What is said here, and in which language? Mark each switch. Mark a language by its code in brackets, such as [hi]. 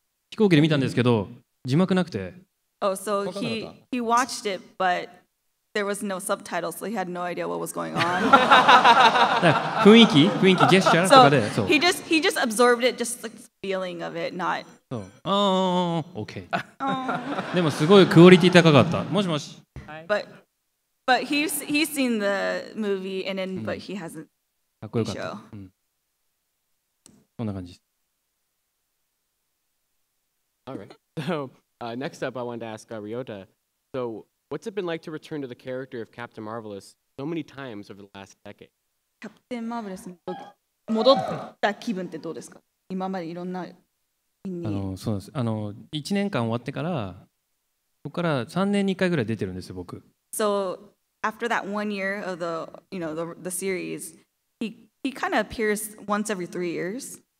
[ja] 飛行機で見たんですけど、字幕なくて。 [en] Oh, so he watched it, but there was no subtitle, so he had no idea what was going on. [ja] 雰囲気？雰囲気、ジェスチャーとかで。 [en] So he just absorbed it, just the feeling of it, not... Oh, okay. [ja] でもすごいクオリティ高かった。もしもし。 [en] But he's seen the movie, and then, but he hasn't seen the show. [ja] こんな感じ。 [en] All right. So, next up, I wanted to ask Ryota. So, what's it been like to return to the character of Captain Marvelous so many times over the last decade? [ja] Captain Marvelous, 戻った気分ってどうですか？今までいろんな人に。そうです。 1年間終わってから、ここから3年に1回ぐらい出てるんですよ、僕。 [en] So, after that one year of the, you know, the series, he kind of appears once every 3 years.